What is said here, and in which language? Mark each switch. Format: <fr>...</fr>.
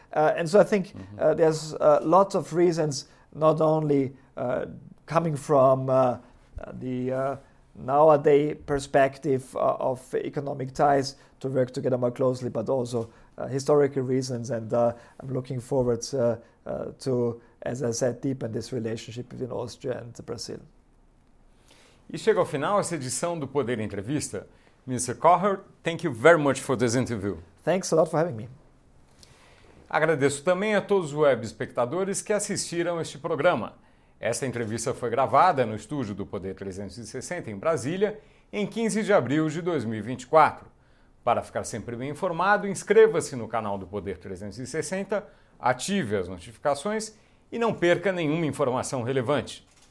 <en>And so I think there's lots of reasons, not only coming from the nowadays perspective of economic ties to work together more closely, but also historical reasons. And I'm looking forward to, as I said, deepen this relationship between Austria and Brazil.</en> <pt>E chega ao final essa edição do Poder Entrevista.</pt> <en>Mr. Kocher, thank you very much for this interview. Thanks a lot for having me.</en> <pt>Agradeço também a todos os web espectadores que assistiram este programa. Esta entrevista foi gravada no estúdio do Poder 360 em Brasília, em 15 de abril de 2024. Para ficar sempre bem informado, inscreva-se no canal do Poder 360, ative as notificações e não perca nenhuma informação relevante.</pt>